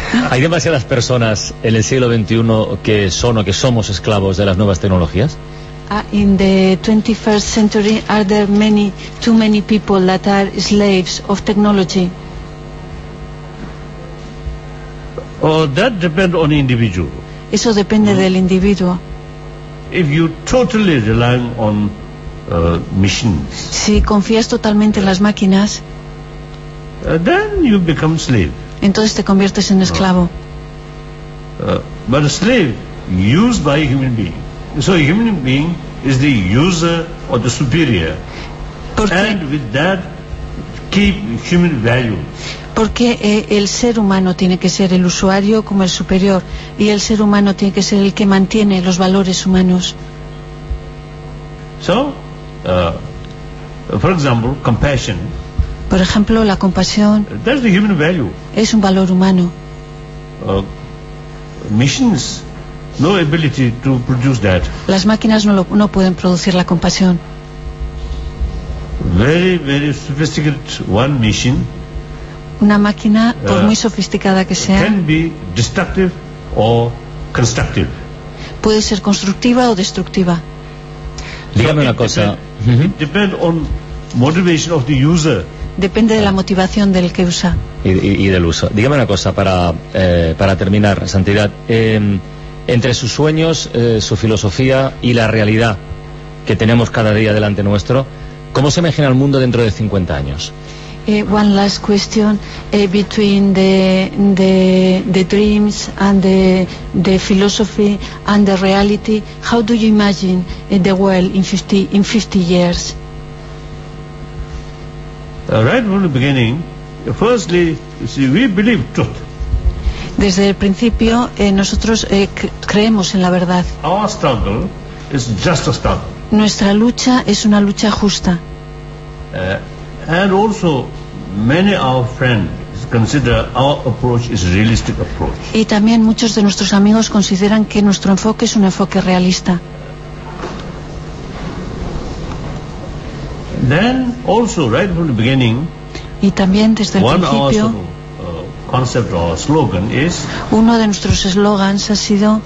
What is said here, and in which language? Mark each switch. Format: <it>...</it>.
<es>¿Hay demasiadas personas en el siglo XXI que son o que somos esclavos de las nuevas tecnologías?</es> <en>In the 21st century, are there too many people that are slaves of technology? Oh, that depends on the individual.</en> <es>Eso depende del individuo.</es> <en>If you totally rely on machines,</en> <es>si confías totalmente en las máquinas,</es> <en>then you become slave.</en> <es>Entonces te conviertes en esclavo.</es> <en>But a slave used by a human being. So a human being is the user or the superior, and with that keep human values.</en> <es>Porque el ser humano tiene que ser el usuario como el superior, y el ser humano tiene que ser el que mantiene los valores humanos.</es> <en>So, for example, compassion.</en> <es>Por ejemplo, la compasión.</es> <en>That's the human value.</en> <es>Es un valor humano.</es> <en>Machines, no ability to produce that.</en> <es>Las máquinas no pueden producir la compasión.</es> <en>Very, very sophisticated one machine.</en> <es>Una máquina, por muy sofisticada que sea,</es> <en>can be destructive or constructive.</en> <es>Puede ser constructiva o destructiva. Dígame una cosa.</es> <en>It depend on motivation of the user.</en> <es>Depende de la motivación del que usa. Y del uso. Dígame una cosa para terminar, Santidad. Entre sus sueños, su filosofía y la realidad que tenemos cada día delante nuestro, ¿cómo se imagina el mundo dentro de 50 años?</es> <en>One last question between the dreams and the philosophy and the reality. How do you imagine the world in 50 years? Right from the beginning, firstly, see, we believe truth.</en> <es>Desde el principio, nosotros creemos en la verdad.</es> <en>Our struggle is just a struggle.</en> <es>Nuestra lucha es una lucha justa.</es> <en>And also, many our friends consider our approach is realistic approach.</en> <es>Y también muchos de nuestros amigos consideran que nuestro enfoque es un enfoque realista.</es> <en>Then also, right from the beginning,</en> <es>y también desde el principio,</es> <en>our concept or slogan is,</en> <es>uno de nuestros eslogans ha sido,</es>